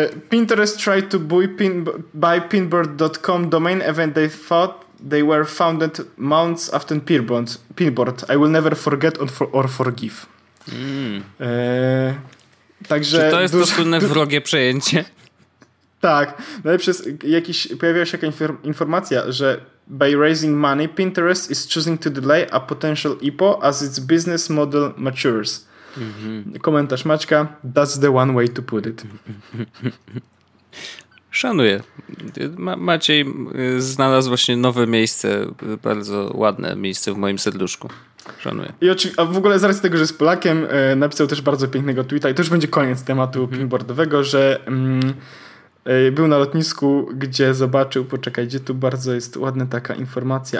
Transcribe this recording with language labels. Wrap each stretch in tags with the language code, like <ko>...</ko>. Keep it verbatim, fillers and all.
<en>Pinterest tried to buy, pin, buy pinboard dot com domain event they thought they were founded months after Pinboard. Pinboard. I will never forget or, for, or forgive. Mm.</en> <pl>Eee, także Czy to jest dużo, to słynne du- wrogie przejęcie? Tak. Najlepsze jest, jakiś, pojawiła się jakaś informacja, że</pl> <en>by raising money, Pinterest is choosing to delay a potential I P O as its business model matures. Mm-hmm.</en> <pl>Komentarz Maćka:</pl> <en>that's the one way to put it.</en> <pl>Szanuję. Ma- Maciej znalazł właśnie nowe miejsce, bardzo ładne miejsce w moim serduszku. Szanuję. I oczy- a w ogóle z racji tego, że jest Polakiem, e, napisał też bardzo pięknego tweeta, i to już będzie koniec tematu mm-hmm. pinboardowego, że mm, e, był na lotnisku, gdzie zobaczył, poczekaj, gdzie tu bardzo jest ładna taka informacja.</pl>